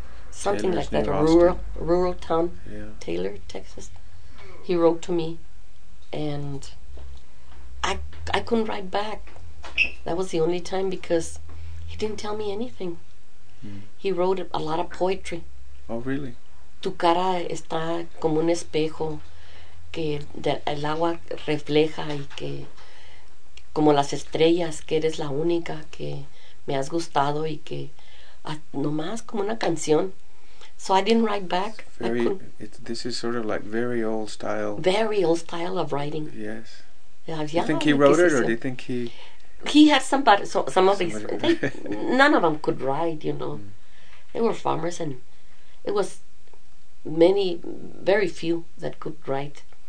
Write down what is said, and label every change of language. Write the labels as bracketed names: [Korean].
[English] Something Taylor's like that, Austin. a rural town, yeah. Taylor, Texas. He wrote to me, and I couldn't write back. That was the only time, because he didn't tell me anything. He wrote a lot of poetry. Oh, really? [Spanish] Tu cara está como un espejo que el agua refleja y que como las estrellas que eres la única que me has gustado y que nomás como una canción. [English] So I didn't write back. This is sort of like very old style. Very old style of writing. Yes. Yeah. Do you think he wrote it, or do you think he? He had somebody. So some of his. None of them could write. You know, they were farmers, and it was very few that could write.